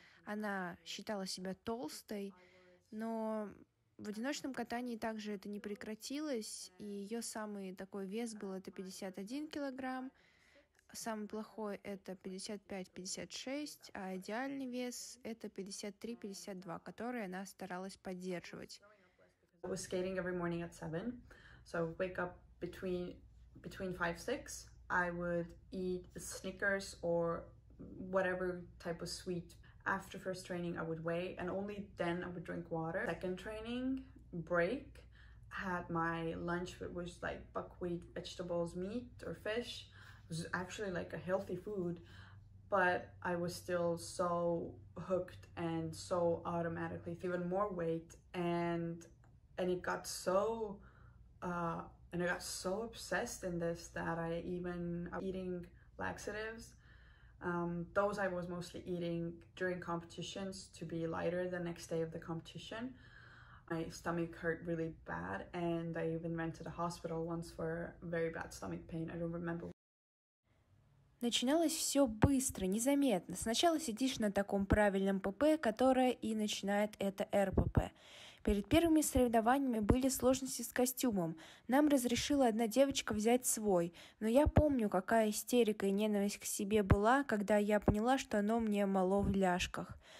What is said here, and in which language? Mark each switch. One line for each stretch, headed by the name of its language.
Russian: она считала себя толстой, но в одиночном катании также это не прекратилось, и ее самый такой вес был это 51 килограмм, самый плохой это 55-56, а идеальный вес это 53-52, который она старалась поддерживать.
English: I was skating every morning at 7, so wake up between 5-6, I would eat Snickers or whatever type of sweet. After first training, I would weigh, and only then I would drink water. Second training, break, had my lunch, which was like buckwheat, vegetables, meat, or fish. It was actually like a healthy food, but I was still so hooked and so automatically, even more weight, and it got so, and I got so obsessed in this that I even eating laxatives. Those I was mostly eating during competitions to be lighter the next day of the competition. My stomach hurt really bad, and I even went to the hospital once for very bad stomach pain. I don't remember.
Russian: Начиналось все быстро, незаметно. Сначала сидишь на таком правильном ПП, которое и начинает это РПП. Перед первыми соревнованиями были сложности с костюмом. Нам разрешила одна девочка взять свой. Но я помню, какая истерика и ненависть к себе была, когда я поняла, что оно мне мало в ляжках.